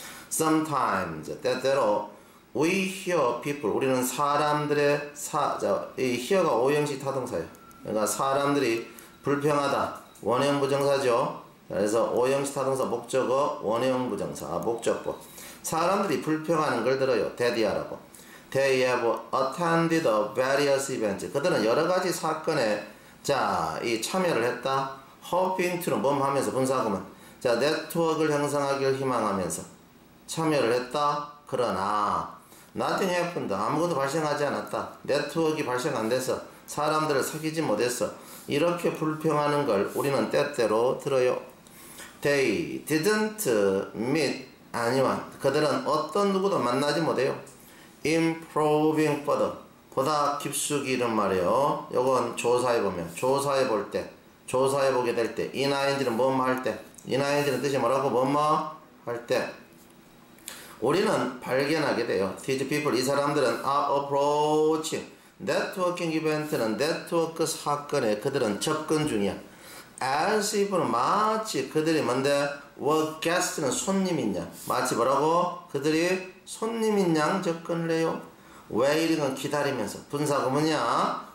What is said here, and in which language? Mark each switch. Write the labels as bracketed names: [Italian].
[English] Sometimes, [Korean] 때때로, [English] we hear people, [Korean] 우리는 사람들의 이 hear가 오형식 타동사예요. 그러니까 사람들이 불평하다. 원형 부정사죠. 그래서 오형식 타동사 목적어, 원형 부정사, 목적어. 사람들이 불평하는 걸 들어요. 대디하라고. [English] They have attended various events. [Korean] 그들은 여러 가지 사건에, 자, 이 참여를 했다. [English] Hoping to, [Korean] 뭐 하면서 분사구문. 자, 네트워크를 형성하기를 희망하면서 참여를 했다. 그러나, [English] nothing happened. [Korean] 아무것도 발생하지 않았다. 네트워크가 발생 안 돼서 사람들을 사귀지 못했어. 이렇게 불평하는 걸 우리는 때때로 들어요. [English] They didn't meet anyone. [Korean] 그들은 어떤 누구도 만나지 못해요. [English] Improving further. [Korean] 보다 깊숙이 이런 말이에요. 요건 조사해보면. 조사해볼 때. 조사해보게 될 때. In ing는 뭐뭐 할 때. In ing는 뜻이 뭐라고? 뭐뭐 할 때. 우리는 발견하게 돼요. [English] These people, [Korean] 이 사람들은 [English] are approaching. Networking event [Korean] 는 네트워크 사건에 그들은 접근 중이야. [English] As if [Korean] 는 마치 그들이 뭔데? [English] What guest [Korean] 는 손님이냐? 마치 뭐라고? 그들이 손님이냐? 접근을 해요. Waiting은 기다리면서. 분사가 뭐냐?